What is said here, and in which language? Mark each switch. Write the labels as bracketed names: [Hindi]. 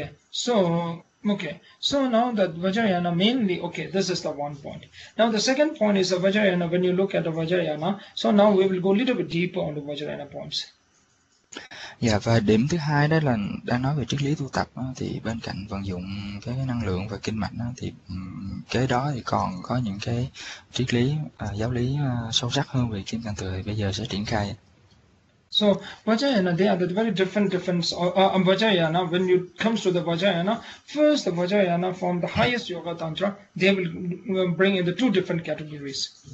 [English] So now that Vajrayana mainly, this is the one point. Now the second point is the Vajrayana. When you look at the Vajrayana, so now we will go a little bit deeper on the Vajrayana points. [Vietnamese] Dạ, và điểm thứ hai đó là đã nói về triết lý tu tập đó, thì bên cạnh vận dụng cái năng lượng và kinh mạch đó, thì cái đó thì còn có những cái triết lý giáo lý sâu sắc hơn về Kim Cang Thừa thì bây giờ sẽ triển khai. [English] So Vajrayana, they are the very different Vajrayana. When it comes to the Vajrayana, first the Vajrayana from the highest Yoga Tantra, they will bring in the two different categories.